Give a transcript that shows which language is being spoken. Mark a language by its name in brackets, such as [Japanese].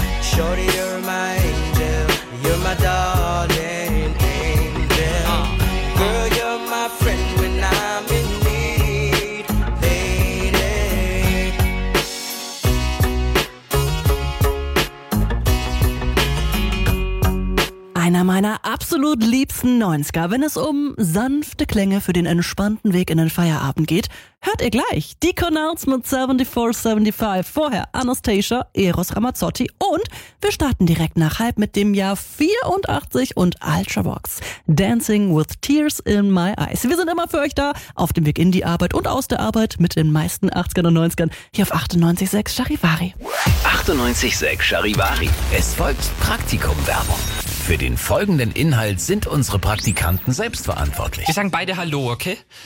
[English] Shorty, you're my angel, you're my darling angel. Girl, you're my friend when I'm in need, lady. [German] Einer meiner absolut liebsten 90er, wenn es um sanfte Klänge für den entspannten Weg in den Feierabend geht, hört ihr gleich die Connells mit 74-75. Vorher Anastasia, Eros Ramazzotti und wir starten direkt nach Hype mit dem Jahr 84 und Ultravox. [English] Dancing with Tears in My Eyes. [German] Wir sind immer für euch da, auf dem Weg in die Arbeit und aus der Arbeit mit den meisten 80ern und 90ern hier auf 98.6 Charivari. 98.6 Charivari. Es folgt Praktikum-Werbung. Für den folgenden Inhalt sind unsere Praktikanten selbst verantwortlich. Wir sagen beide Hallo, okay?